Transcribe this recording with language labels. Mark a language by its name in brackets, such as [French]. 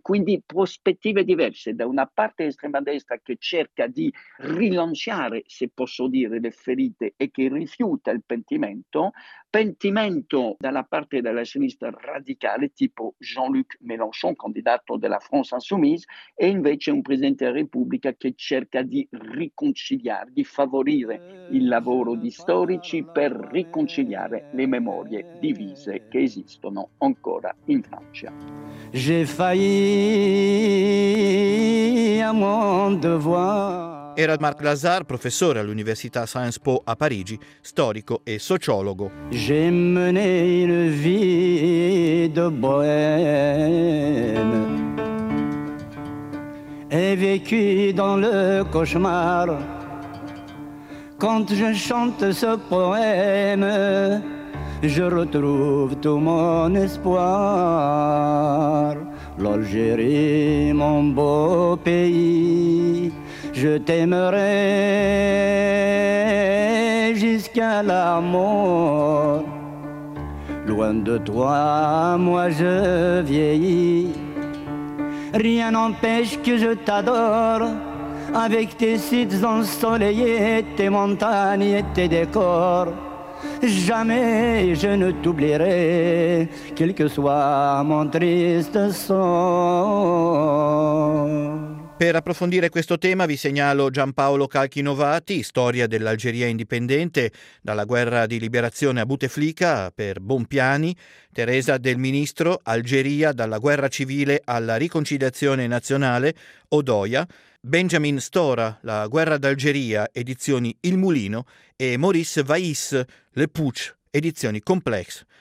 [Italian] Quindi prospettive diverse, da una parte estrema destra che cerca di rilanciare, se posso dire, le ferite e che rifiuta il pentimento, pentimento dalla parte della sinistra radicale tipo Jean-Luc Mélenchon, candidato della France Insoumise, e invece un Presidente della Repubblica che cerca di riconciliare, di favorire il lavoro di storici per riconciliare le memorie divise che esistono ancora in Francia. [French] J'ai failli à mon devoir. [Italian] Era Marc Lazar, professore all'Università Sciences Po a Parigi, storico e sociologo. [French] J'ai mené une vie de bohème et vécu dans le cauchemar. Quand je chante ce poème, je retrouve tout mon espoir. L'Algérie, mon beau pays, je t'aimerai jusqu'à la mort. Loin de toi, moi je vieillis. Rien n'empêche que je t'adore, avec tes sites ensoleillés, tes montagnes et tes décors. Jamais je ne t'oublierai, quel que soit mon triste sort. [Italian] Per approfondire questo tema vi segnalo Giampaolo Calchinovati, Storia dell'Algeria indipendente, dalla guerra di liberazione a Bouteflika per Bompiani, Teresa Del Ministro, Algeria dalla guerra civile alla riconciliazione nazionale, Odoia, Benjamin Stora, La guerra d'Algeria, edizioni Il Mulino, e Maurice Vaïs, Le Putsch, edizioni Complex.